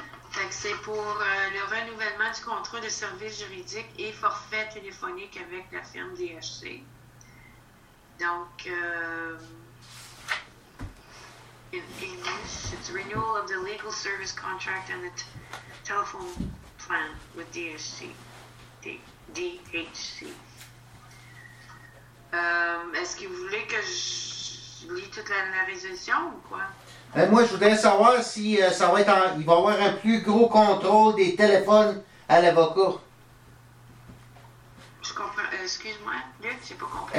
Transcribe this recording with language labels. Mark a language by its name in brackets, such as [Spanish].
[French] Fait que c'est pour le renouvellement du contrat de service juridique et forfait téléphonique avec la firme DHC. [English] Donc, in English, it's renewal of the legal service contract and the telephone plan with DHC. DHC. [French] Est-ce que vous voulez que je lis toute la résolution ou quoi? Ben moi, je voudrais savoir si ça va être il va y avoir un plus gros contrôle des téléphones à l'avocat. Je comprends. Excuse-moi, Luc, j'ai pas compris.